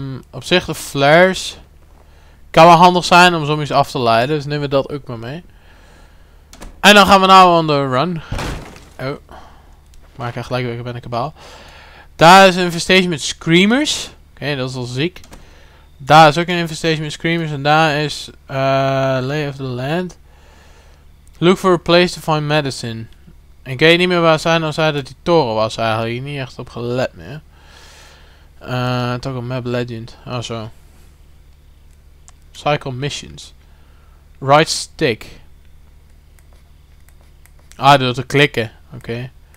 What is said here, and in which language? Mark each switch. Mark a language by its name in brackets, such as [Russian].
[Dutch] Op zich de flares. Kan wel handig zijn om zombies af te leiden, dus nemen we dat ook maar mee. En dan gaan we nou [English] on the run. [Dutch] Oh. Maar ik ga gelijk weer ben een kabaal. Daar is een infestation met screamers. Oké, dat is al ziek. Daar is ook een infestation met screamers. En daar is [English] lay of the land. Look for a place to find medicine. [Dutch] En ik weet niet meer waar zij nou zei dat die toren was eigenlijk. Niet echt op gelet meer. Toch een map legend. Oh zo. [English] Cycle missions. Right stick. [Dutch] Ah, door te klikken. Oké.